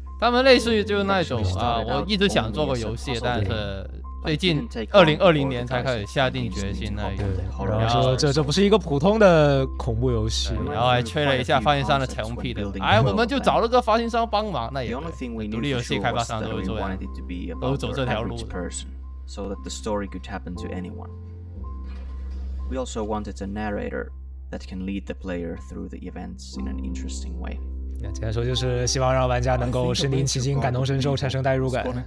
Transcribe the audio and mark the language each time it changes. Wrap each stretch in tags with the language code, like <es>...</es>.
<zh>他们类似于就是那种啊，我一直想做个游戏，但是最近2020年才开始下定决心那一种。然后说这不是一个普通的恐怖游戏，然后还吹了一下发行商的成批的。哎，我们就找了个发行商帮忙，那也独立游戏开发商都走这条路。</zh> <en>So that the story could happen to anyone. We also wanted a narrator that can lead the player through the events in an interesting way.</en> <zh>那简单说就是希望让玩家能够身临其境，感同身受，产生代入感。</zh>